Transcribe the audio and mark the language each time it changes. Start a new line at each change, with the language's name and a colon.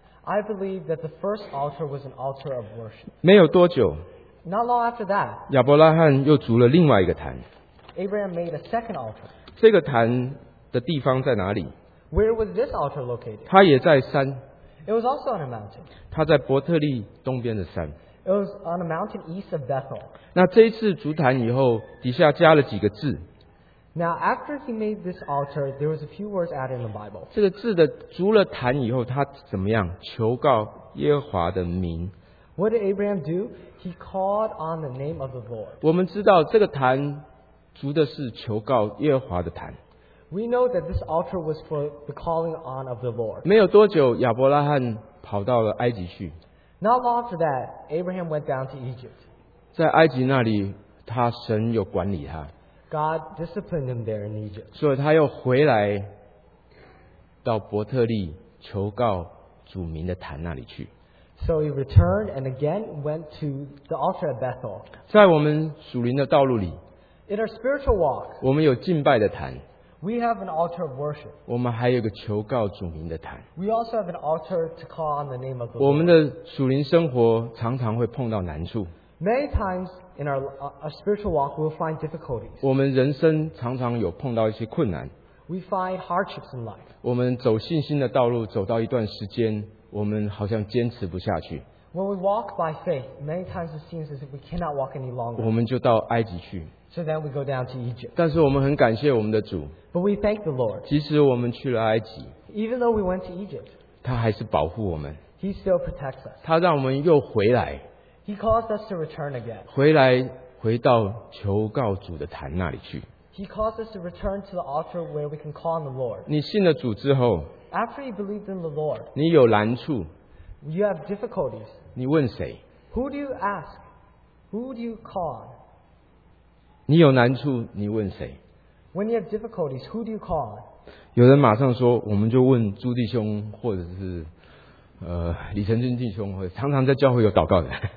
English: I believe that the first altar was an altar of worship.
Chinese: 没有多久,
English: not long after that,
Chinese: 亚伯拉罕又筑了另外一个坛。
English: Abraham made a second altar.
Chinese: 这个坛的地方在哪里?
English: Where was this altar located?
Chinese: 它也在山。
English: It was also on a mountain.
Chinese: 它在伯特利东边的山。
English: It was on a mountain east of Bethel.
Chinese: 那这一次筑坛以后, 底下加了几个字。
English: Now after he made this altar, there was a few words added in the Bible.
Chinese: 这个字的筑了坛以后, 他怎么样? 求告耶和华的名。
English: What did Abraham do? He called on the name of the Lord.
Chinese: 我们知道这个坛筑的是求告耶和华的坛。
English: We know that this altar was for the calling on of the Lord.
Chinese: 没有多久亚伯拉罕跑到了埃及去。
English: Not long after that, Abraham went down to Egypt.
Chinese: 在埃及那里他神有管理他。
English: God disciplined him there in Egypt.
Chinese: 所以他又回来到伯特利求告主名的坛那里去。
English: So he returned and again went to the altar at Bethel.
Chinese: 在我们属灵的道路里,
English: in our spiritual walk,
Chinese: 我们有敬拜的坛,
English: we have an altar of worship.
Chinese: 我们还有个求告主名的坛,
English: we also have an altar to call on the name of the Lord.
Chinese: 我们的属灵生活常常会碰到难处。
English: Many times in our spiritual walk, we'll find difficulties.
Chinese: 我们人生常常有碰到一些困难。
English: We find hardships in life.
Chinese: 我们走信心的道路走到一段时间, 我们好像坚持不下去。
English: When we walk by faith, many times it seems as if we cannot walk any longer.
Chinese: 我们就到埃及去。
English: So then we go down to Egypt.
Chinese: 但是我们很感谢我们的主。
English: But we thank the Lord.
Chinese: 即使我们去了埃及,
English: even though we went to Egypt,
Chinese: 他还是保护我们。
English: He still protects us.
Chinese: 他让我们又回来。
English: He caused us to return again.
Chinese: 回来回到求告主的坛那里去。
English: He caused us to return to the altar where we can call on the Lord.
Chinese: 你信了主之后,
English: after you believed in the Lord,
Chinese: 你有难处,
English: you have difficulties,
Chinese: 你问谁?
English: Who do you ask? Who do you call on?
Chinese: 你有难处, 你问谁?
English: When you have difficulties, who do you call on?
Chinese: 有人马上说, 我们就问朱弟兄, 或者是, 李成俊弟兄, 常常在教会有祷告的。